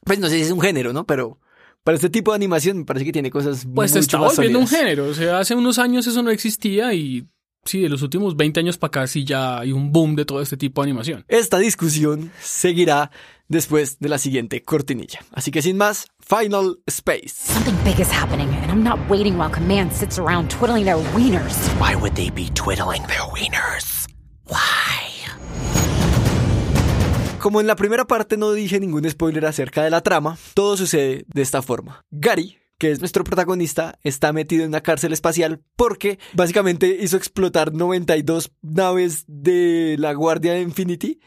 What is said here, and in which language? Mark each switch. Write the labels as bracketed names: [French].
[Spanish] Pues no sé si es un género, ¿no? Pero para este tipo de animación me parece que tiene cosas muy interesantes. Pues se está volviendo un género. O sea, hace unos años eso no existía y sí, de los últimos 20 años para acá sí ya hay un boom de todo este tipo de animación. Esta discusión seguirá después de la siguiente cortinilla. Así que sin más, Final Space. [English] Something big is happening, and I'm not waiting while Command sits around twiddling their wieners. Why would they be twiddling their wieners? Why? [Spanish] Como en la primera parte no dije ningún spoiler acerca de la trama, todo sucede de esta forma. Gary, que es nuestro protagonista, está metido en una cárcel espacial porque básicamente hizo explotar 92 naves de la Guardia de Infinity.